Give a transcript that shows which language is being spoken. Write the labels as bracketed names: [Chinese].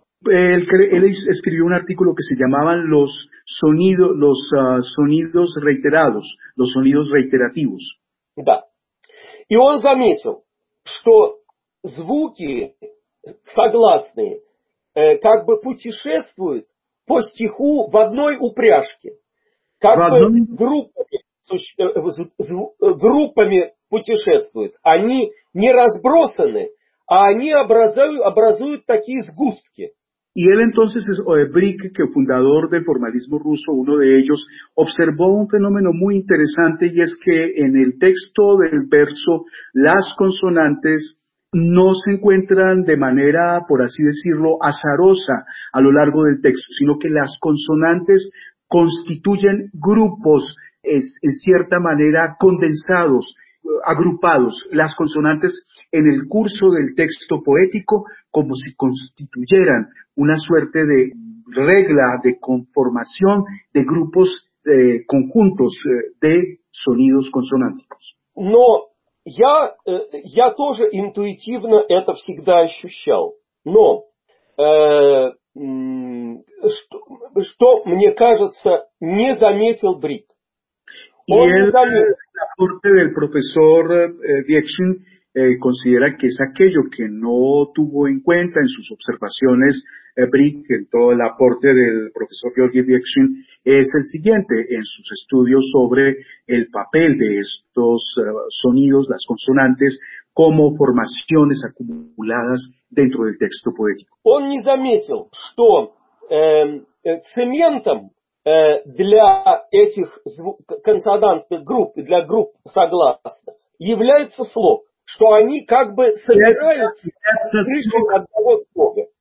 [Spanish] Él escribió un artículo que se llamaban los sonidos reiterados, los sonidos reiterativos. [Russian] Да. И он заметил, что звуки согласные как бы путешествуют по стиху в одной упряжке. Как бы группами путешествуют. Они не разбросаны, а они образуют такие сгустки. [Spanish] Y él entonces, Брик, que fundador del formalismo ruso, uno de ellos, observó un fenómeno muy interesante, y es que en el texto del verso, las consonantes no se encuentran de manera, por así decirlo, azarosa a lo largo del texto, sino que las consonantes constituyen grupos, en cierta manera, condensados, agrupados, las consonantes en el curso del texto poético, como si constituyeran una suerte de regla de conformación de grupos conjuntos de sonidos consonánticos. [Russian] No, я тоже интуитивно это всегда ощущал. Но что мне кажется, не заметил Брик. [Spanish] El aporte del profesor Dietzschen considera que es aquello que no tuvo en cuenta en sus observaciones Brick, en todo el aporte del profesor Georgi Dietzschen, es el siguiente, en sus estudios sobre el papel de estos sonidos, las consonantes, como formaciones acumuladas dentro del texto poético. [Russian] Он не заметил, что цементом для этих консонантных групп, для групп согласных, является слог, что они как бы собираются в крышу одного слога.